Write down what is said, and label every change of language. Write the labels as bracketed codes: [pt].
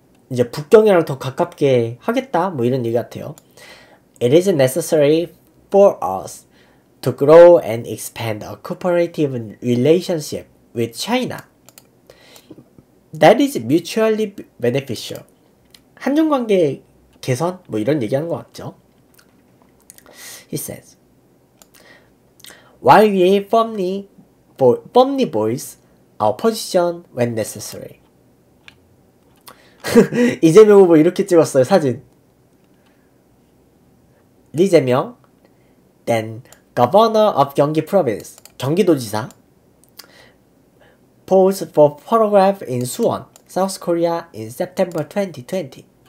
[ko] 이제 북경이랑 더 가깝게 하겠다? 뭐 이런 얘기 같아요. [en] It is necessary for us to grow and expand a cooperative relationship with China. That is mutually beneficial. [ko] 한중 관계 개선 뭐 이런 얘기하는 것 같죠? [en] He says, while we firmly voice our position when necessary. [ko] 이재명 후보 이렇게 찍었어요, 사진. [en] 리재명, then governor of Gyeonggi Province, [ko] 경기도지사, [en] posed for photograph in Suwon, South Korea in September 2020.